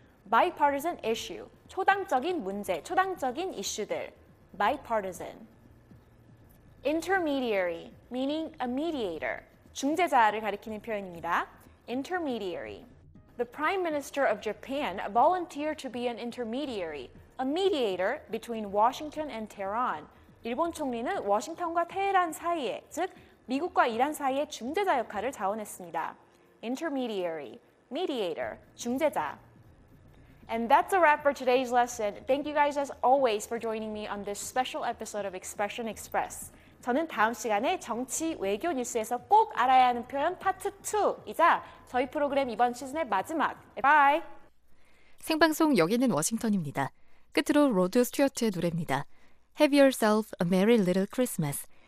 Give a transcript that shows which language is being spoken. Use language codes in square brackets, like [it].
[en] Bipartisan issue. [ko] 초당적인 문제, 초당적인 이슈들. [en] Bipartisan. Intermediary, meaning a mediator. [ko] 중재자를 가리키는 표현입니다. [en] Intermediary. The Prime Minister of Japan volunteered to be an intermediary, a mediator between Washington and Tehran. [ko] 일본 총리는 워싱턴과 테헤란 사이에, 즉 미국과 이란 사이에 중재자 역할을 자원했습니다. [en] Intermediary, mediator, 중재자. And that's a wrap for today's lesson. Thank you guys as always for joining me on this special episode of Expression Express. [ko] 저는 다음 시간에 정치 외교 뉴스에서 꼭 알아야 하는 표현 파트 2이자 저희 프로그램 이번 시즌의 마지막. [en] Bye. [ko] 생방송 여기는 워싱턴입니다. 끝으로 로드 스튜어트의 노래입니다. [en] Have yourself a merry little Christmas.